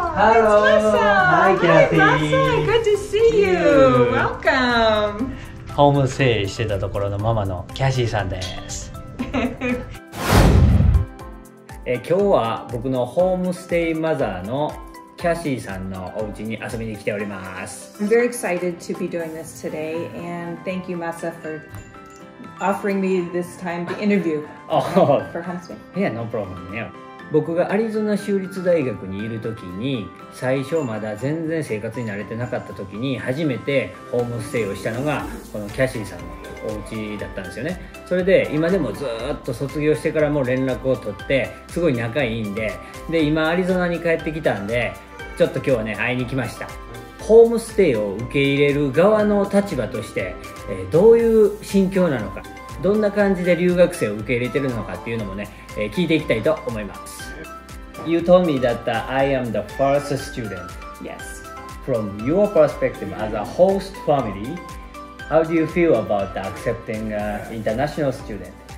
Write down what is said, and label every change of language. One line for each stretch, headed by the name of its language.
English: Hello, hi, Kathy. Good to see you. Welcome.
Japanese: ホームステイしてたところのママのキャシーさんです。今日は僕のホームステイマザーのキャシーさんのお家に遊びに来ております。
English: I'm very excited to be doing this today, and thank you, Masa, for offering me this time to interview for ホームステイ。Yeah, no problem. Yeah.
Japanese: 僕がアリゾナ州立大学にいる時に、最初まだ全然生活に慣れてなかった時に初めてホームステイをしたのがこのキャシーさんのお家だったんですよね。それで今でもずっと卒業してからも連絡を取ってすごい仲いいんで、で今アリゾナに帰ってきたんで、ちょっと今日はね会いに来ました。ホームステイを受け入れる側の立場としてどういう心境なのか、どんな感じで留学生を受け入れてるのかっていうのもね、聞いていきたいと思います。
English: You told me that I am the first student. Yes. From your perspective as a host family, how do you feel about accepting an international student?